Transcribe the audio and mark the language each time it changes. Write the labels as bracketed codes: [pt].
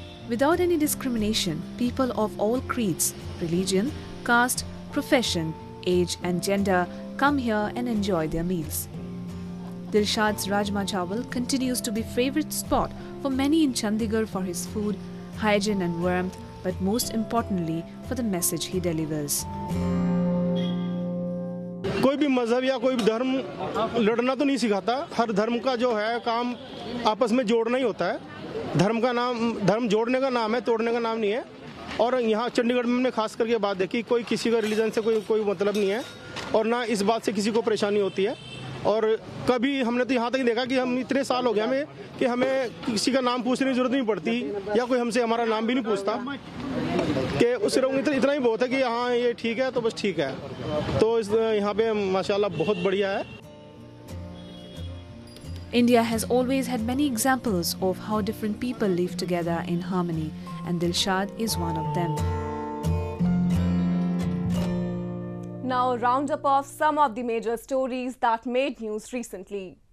[en] Without any discrimination, people of all creeds, religion, caste, profession, age and gender come here and enjoy their meals. Dilshad's Rajma Chawal continues to be favorite spot for many in Chandigarh for his food, hygiene and warmth, but most importantly for the message he delivers. [hi] कोई भी मजहब या कोई भी धर्म लड़ना तो नहीं सिखाता हर धर्म का जो है काम आपस में जोड़ना ही होता है धर्म का नाम धर्म जोड़ने का नाम है तोड़ने का नाम नहीं है और यहाँ चंडीगढ़ में हमने खास करके बात देखी कोई किसी का रिलीजन से कोई मतलब नहीं है और ना इस बात से किसी को परेशानी होती है और कभी हमने तो यहाँ तक देखा कि हम इतने साल हो गए हमें कि हमें किसी का नाम पूछने की जरूरत नहीं पड़ती या कोई हमसे हमारा नाम भी नहीं पूछता कि उससे इतना ही बहुत है कि हाँ ये ठीक है तो बस ठीक है तो यहाँ पे माशाल्लाह बहुत बढ़िया है [en] India has always had many examples of how different people live together in harmony, and Dilshad is one of them. Now, a roundup of some of the major stories that made news recently.